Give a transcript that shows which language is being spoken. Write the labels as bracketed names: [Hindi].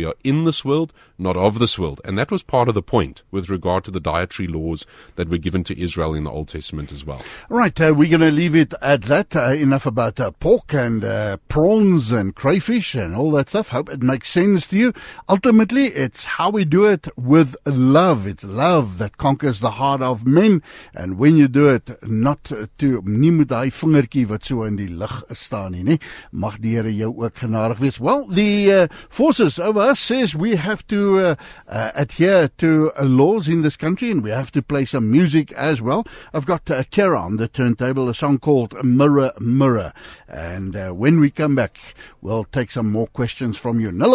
[English] We are in this world, not of this world. And that was part of the point with regard to the dietary laws that were given to Israel in the Old Testament as well. Right, we're going to leave it at that. Enough about pork and prawns and crayfish and all that stuff. Hope it makes sense to you. Ultimately, it's how we do it with love. It's love that conquers the heart of men. And when you do it, [Afrikaans] nie met die vingertjie wat so in die lig staan nie, mag die Here jou ook genadig wees. [English] Well, the forces of us says we have to adhere to laws in this country, and we have to play some music as well. I've got Kara on the turntable, a song called Mirror, Mirror. And when we come back, we'll take some more questions from you.